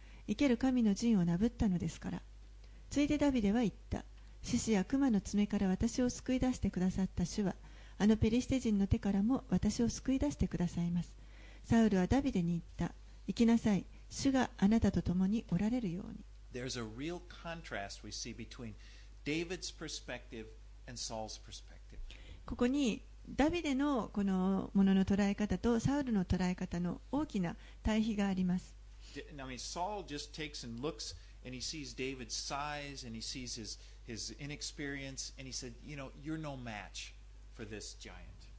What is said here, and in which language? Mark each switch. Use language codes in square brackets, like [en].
[ja] 生ける神の陣をなぶったのですから。ついでダビデは言った。獅子や熊の爪から私を救い出してくださった主は、あのペリシテ人の手からも私を救い出してくださいます。サウルはダビデに言った。行きなさい。主があなたと共におられるように。 [en] There's a real contrast we see between David's perspective and Saul's perspective. [ja] ここにダビデのこのものの捉え方とサウルの捉え方の大きな対比があります。 [en] I mean, Saul just takes and looks and he sees David's size and he sees his inexperience and he said, you know, you're no match for this giant.